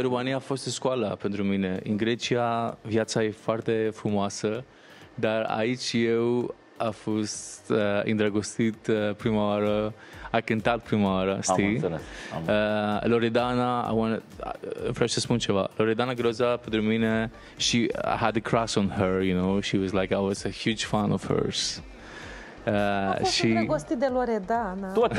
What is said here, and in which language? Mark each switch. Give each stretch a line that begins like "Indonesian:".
Romanian: România a fost școala pentru mine. În Grecia viața e foarte frumoasă, dar aici eu a fost îndrăgostit prima oară, a cântat prima oară, știi? Am înțeles. Loredana, vreau să spun ceva.
English: Loredana Groza
Romanian: pentru mine,
English: she had a crush on her, you know? She was like, I was a huge fan of hers.
Romanian: Și îndrăgostit de Loredana.